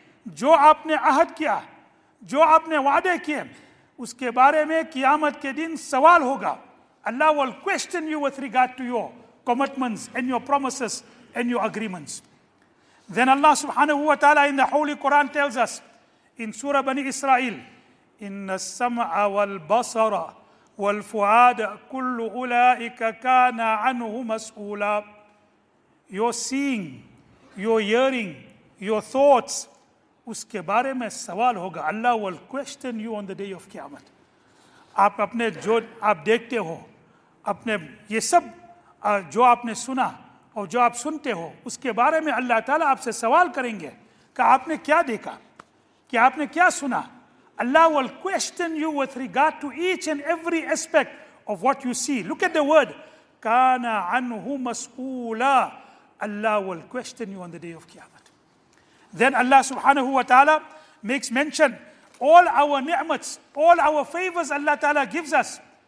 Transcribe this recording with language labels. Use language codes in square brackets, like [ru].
[ur] جو آپ نے عہد کیا, جو آپ نے وعدے کیے, اس کے بارے میں قیامت کے دن سوال ہوگا. [en] Allah will question you with regard to your commitments and your promises and your agreements. Then Allah subhanahu wa ta'ala in the Holy Quran tells us in Surah Bani Israel, [ar] إِنَّ السَّمْعَ وَالْبَصَرَ وَالْفُعَادَ كُلُّ أُولَٰئِكَ كَانَ عَنْهُ مَسْئُولًا. [en] You're seeing, your hearing, your thoughts, [ur] اس کے بارے میں سوال ہوگا. [en] Allah will question you on the day of قیامت. [ur] آپ اپنے جو آپ دیکھتے ہو, اپنے یہ سب جو آپ نے سنا اور جو آپ سنتے ہو, اس کے بارے میں اللہ تعالیٰ آپ سے سوال کریں گے کہ آپ نے کیا دیکھا, کہ آپ نے کیا سنا. [en] Allah will question you with regard to each and every aspect of what you see. Look at the word, kana anhu mas'oola. Allah will question you on the day of Qiyamah. Then Allah subhanahu wa ta'ala makes mention, all our ni'mats, all our favors Allah ta'ala gives us,